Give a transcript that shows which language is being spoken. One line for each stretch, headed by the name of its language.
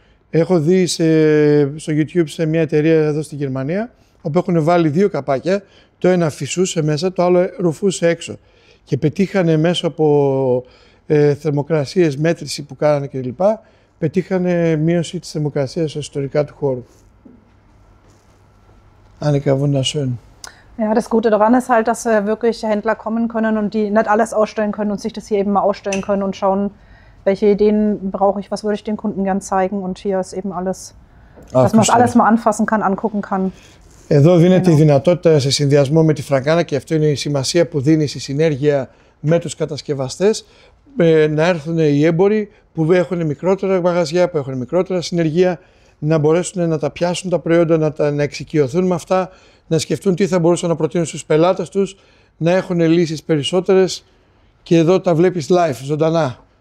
Greek: Έχω δει στο YouTube σε μια εταιρεία εδώ στη Γερμανία, όπου έχουν βάλει δύο καπάκια, το ένα φυσούσε μέσα, το άλλο ρουφούσε έξω. Και πετύχανε μέσω από θερμοκρασίες, μέτρηση που κάνανε κλπ. Πετύχανε μείωση της θερμοκρασίας εσωτερικά του χώρου.
German: Annika, wunderschön. Ja, das Gute daran ist halt, dass wirklich Händler kommen können und die nicht alles ausstellen können und sich das hier eben mal ausstellen können und schauen, welche Ideen brauche ich, was würde ich den Kunden gern zeigen. Und hier ist eben alles, dass man es alles mal anfassen kann, angucken kann.
Greek: Εδώ δίνεται η δυνατότητα σε συνδυασμό με τη Φραγκάνα και αυτό είναι η σημασία που δίνει στη συνέργεια με τους κατασκευαστές να έρθουν οι έμποροι που έχουν μικρότερα μαγαζιά, που έχουν μικρότερα συνεργεία, να μπορέσουν να τα πιάσουν τα προϊόντα, να εξοικειωθούν με αυτά, να σκεφτούν τι θα μπορούσαν να προτείνουν στους πελάτες τους, να έχουν λύσεις περισσότερες και εδώ τα βλέπεις live, ζωντανά.